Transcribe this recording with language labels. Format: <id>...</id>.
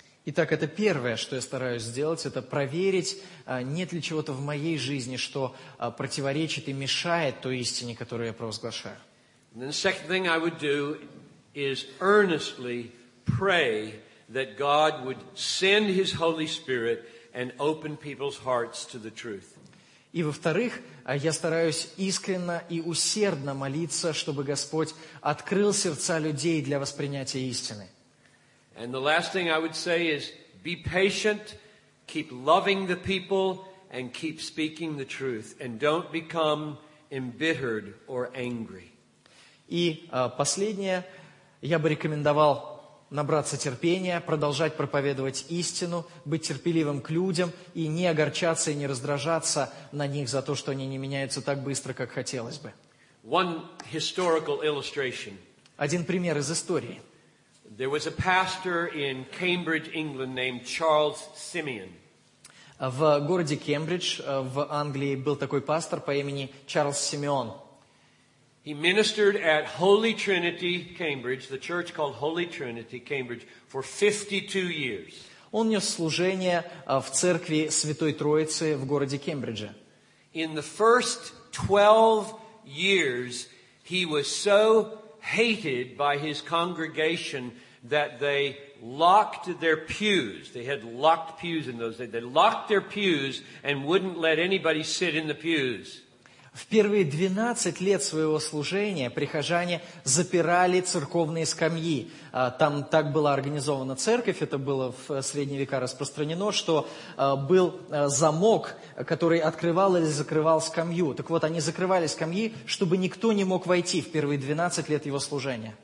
<ru>Итак, это первое, что я стараюсь сделать, это проверить, нет ли чего-то в моей жизни, что противоречит и мешает той истине, которую я провозглашаю.</ru> <en>And the second thing I would do is earnestly pray that God would send His Holy Spirit and open people's hearts to the truth.</en> <ru>И, во-вторых, я стараюсь искренно и усердно молиться, чтобы Господь открыл сердца людей для воспринятия истины.</ru> <en>And the last thing I would say is be patient, keep loving the people, and keep speaking the truth, and don't become embittered or angry.</en> <ru>И последнее, я бы рекомендовал набраться терпения, продолжать проповедовать истину, быть терпеливым к людям и не огорчаться и не раздражаться на них за то, что они не меняются так быстро, как хотелось бы.</ru> <en>One historical illustration.</en> <ru>Один пример из истории.</ru> <en>There was a pastor in Cambridge, England, named Charles Simeon.</en> <ru>В городе Кембридж в Англии был такой пастор по имени Чарльз Симеон.</ru> <en>He ministered at Holy Trinity, Cambridge, the church called Holy Trinity, Cambridge, for 52 years.</en> <ru>Он нес служение в церкви Святой Троицы в городе Кембридже.</ru> <en>In the first 12 years, he was so hated by his congregation that they locked their pews. They had locked pews in those days. They locked their pews and wouldn't let anybody sit in the pews.</en> <ru>В первые 12 лет своего служения прихожане запирали церковные скамьи. Там так была организована церковь, это было в средние века распространено, что был замок, который открывал или закрывал скамью. Так вот, они закрывали скамьи, чтобы никто не мог войти в первые 12 лет его служения.</ru>